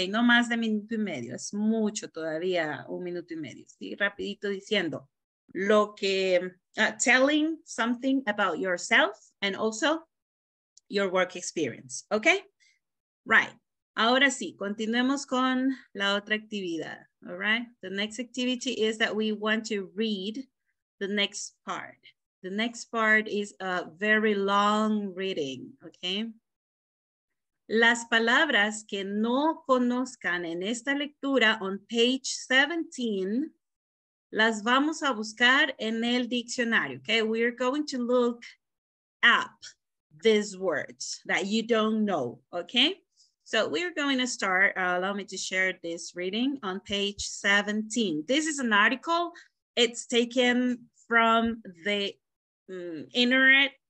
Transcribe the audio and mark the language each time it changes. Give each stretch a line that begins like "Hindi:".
Spanish: No más de minuto y medio, es mucho todavía, un minuto y medio, ¿sí? Rapidito diciendo, lo que,
English: telling something about yourself and also your work experience, ¿ok?
Spanish: Right, ahora sí, continuemos con la otra actividad.
English: All right, the next activity is that we want to read the next part. The next part is a very long reading, okay?
Spanish: Las palabras que no conozcan en esta lectura
English: on page 17,
Spanish: las vamos a buscar en el diccionario, okay?
English: We are going to look up these words that you don't know, okay? So we're going to start, allow me to share this reading on page 17. This is an article, it's taken from the internet.